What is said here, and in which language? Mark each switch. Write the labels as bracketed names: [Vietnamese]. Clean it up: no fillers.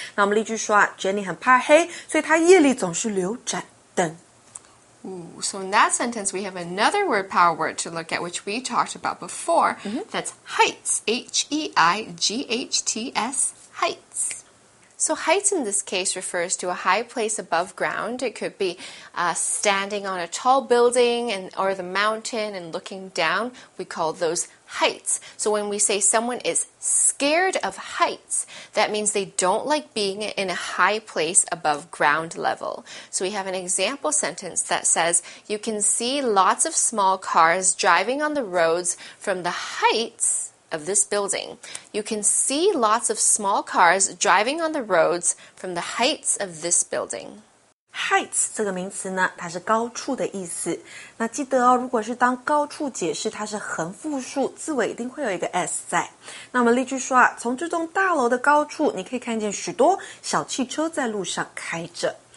[Chinese] 那我们例句说啊 ，Jenny 很怕黑，所以她夜里总是留盏灯。 [English] Ooh, so in that sentence, we have another word power word to look at, which we talked about before.、Mm-hmm. That's heights, H-E-I-G-H-T-S, heights. So heights in this case refers to a high place above ground. It could be、standing on a tall building and, or the mountain and looking down. We call those heights. So when we say someone is scared of heights, that means they don't like being in a high place above ground level. So we have an example sentence that says, you can see lots of small cars driving on the roads from the heights... of this building. You can see lots of small cars driving on the roads from the heights of this building. [Chinese] Heights 这个名词呢，它是高处的意思。那记得哦，如果是当高处解释，它是横复数，字尾一定会有一个 s 在。那我们例句说啊，从这栋大楼的高处，你可以看见许多小汽车在路上开着。